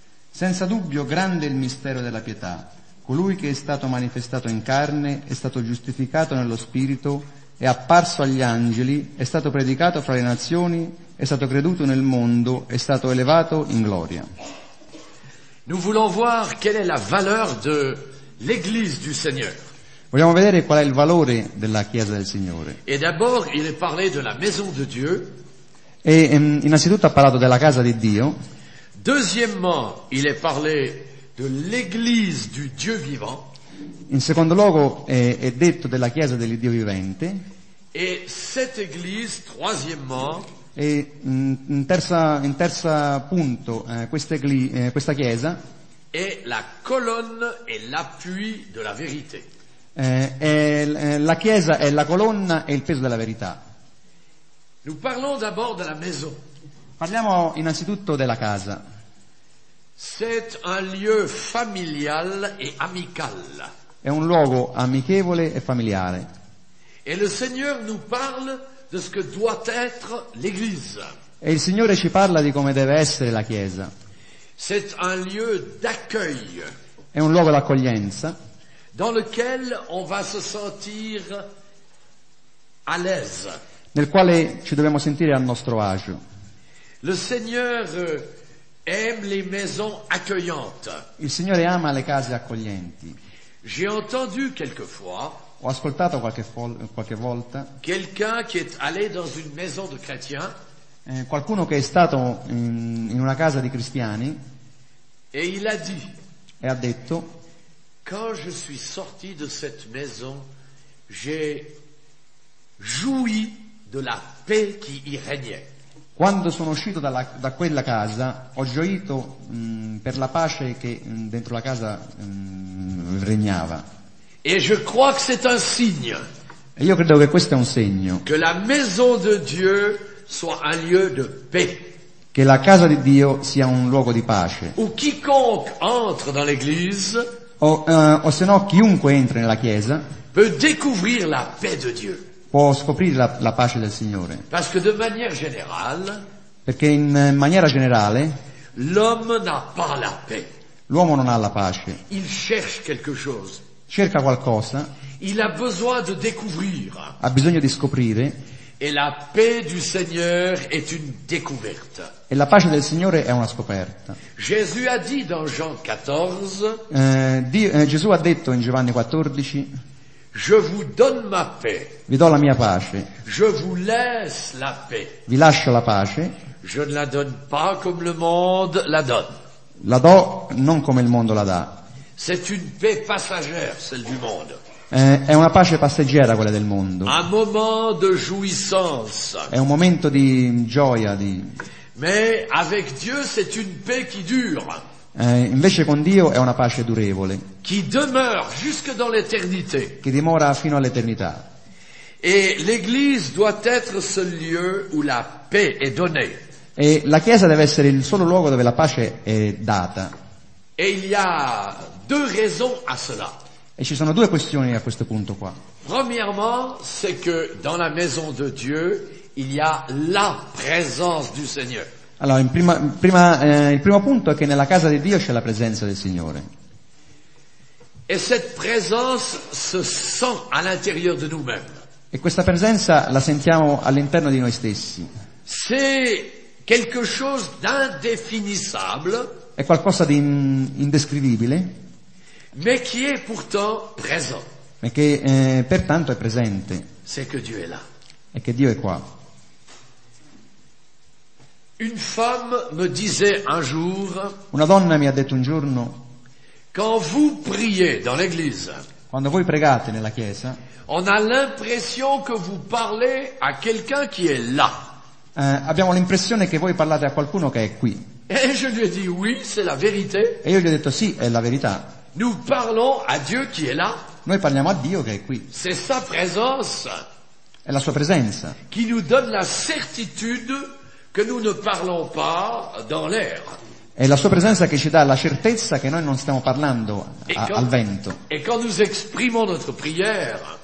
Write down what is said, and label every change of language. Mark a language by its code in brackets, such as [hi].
[it] Senza dubbio grande è il mistero della pietà. Colui che è stato manifestato in carne, è stato giustificato nello Spirito, è apparso agli angeli, è stato predicato fra le nazioni, è stato creduto nel mondo, è stato elevato in gloria. [fr] Nous voulons voir quelle est la valeur de l'Église du Seigneur. [it] Vogliamo vedere qual è il valore della Chiesa del Signore. [fr] Et d'abord, il est parlé de la maison de Dieu. [it] E innanzitutto ha parlato della casa di Dio. [fr] Deuxièmement, il est parlé de l'Église du Dieu vivant. [it] In secondo luogo è detto della Chiesa del Dio vivente. [fr] Et cette église, troisièmement. [it] E in terza punto questa Chiesa. [fr] Est la colonne et l'appui de la vérité. [it] La Chiesa è la colonna e il peso della verità. [fr] Nous parlons d'abord de la maison. [it] Parliamo innanzitutto della casa. [fr] C'est un lieu familial et amical. [it] È un luogo amichevole e familiare. [fr] Et le Seigneur nous parle de ce que doit être l'Église. [it] E il Signore ci parla di come deve essere la Chiesa. [fr] C'est un lieu d'accueil. [it] È un luogo d'accoglienza. [fr] Dans lequel on va se sentir à l'aise. [it] Nel quale ci dobbiamo sentire a nostro agio. [fr] Le Seigneur aime les maisons accueillantes. [it] Il Signore ama le case accoglienti. [fr] J'ai entendu quelquefois. [it] Ho ascoltato qualche volta. [fr] Quelqu'un qui est allé dans une maison de chrétiens. [it] Qualcuno che è stato in una casa di cristiani. [fr] Et il a dit. [it] E ha detto. [fr] Quand je suis sorti de cette maison, j'ai joui de la paix qui y régnait. [it] Quando sono uscito da quella casa, ho gioito per la pace che dentro la casa regnava. [fr] Et je crois que c'est un signe. [it] E io credo che questo è un segno. [fr] Que la maison de Dieu soit un lieu de paix. [it] Che la casa di Dio sia un luogo di pace. [fr] Ou quiconque entre dans l'église. [it] O se no chiunque entra nella chiesa [fr] peut découvrir la paix de Dieu. [it] Può scoprire la pace del Signore. [fr] Parce que de manière générale, [it] perché in maniera generale [fr] l'homme n'a pas la paix. [it] L'uomo non ha la pace. [fr] Il cherche quelque chose. [it] Cerca qualcosa. [fr] Il a besoin de découvrir. [it] Ha bisogno di scoprire. [fr] Et la paix du Seigneur est une découverte. [it] E la pace del Signore è una scoperta. [fr] Jésus a dit dans Jean 14. [it] Gesù ha detto in Giovanni 14. [fr] Je vous donne ma paix. [it] Vi do la mia pace. [fr] Je vous laisse la paix. [it] Vi lascio la pace. [fr] Je ne la donne pas comme le monde la donne. [it] La do non come il mondo la dà. [fr] C'est une paix passagère, celle du monde. [it] È una pace passeggera quella del mondo. [fr] Un moment de jouissance. [it] È un momento di gioia di. [fr] Mais avec Dieu c'est une paix qui dure. [it] Invece con Dio è una pace durevole. [fr] Qui demeure jusque dans l'éternité. [it] Che dimora fino all'eternità. [fr] Et l'église doit être ce lieu où la paix est donnée. [it] E la chiesa deve essere il solo luogo dove la pace è data. [fr] Et il y a deux raisons à cela. [it] E ci sono due questioni a questo punto qua. [fr] Premièrement, c'est que dans la maison de Dieu, il y a la présence du Seigneur. [it] Allora, il primo punto è che nella casa di Dio c'è la presenza del Signore. [fr] Et cette présence se sent à l'intérieur de nous-mêmes. [it] E questa presenza la sentiamo all'interno di noi stessi. [fr] C'est quelque chose d'indéfinissable. [it] È qualcosa di indescrivibile. [fr] Mais qui est pourtant présent. [it] Ma che pertanto è presente. [fr] c'est que Dieu est là. [it] È che Dio è qua. [fr] Une femme me disait un jour. [it] Una donna mi ha detto un giorno. [fr] Quand vous priez dans l'église. [it] Quando voi pregate nella chiesa. [fr] On a l'impression que vous parlez à quelqu'un qui est là. [it] Abbiamo l'impressione che voi parlate a qualcuno che è qui. [fr] Et je lui ai dit oui, c'est la vérité. [it] E io gli ho detto sì, è la verità. [fr] Nous parlons à Dieu qui est là. [it] Noi parliamo a Dio che è qui. [fr] C'est sa présence. [it] È la sua presenza. [fr] Qui nous donne la certitude que nous ne parlons pas dans l'air. [it] È la sua presenza che ci dà la certezza che noi non stiamo parlando al vento. [fr] Et quand nous exprimons notre prière.